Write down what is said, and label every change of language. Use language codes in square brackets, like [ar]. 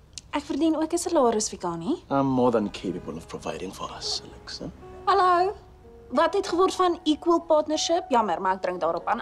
[af] Ek verdien ook 'n salaris, Vikani. [en] I'm more than capable of providing for us, Alexa. [af] Hallo. Wat het geword van [en] equal partnership? [af] Jammer, maar ek drink daarop aan.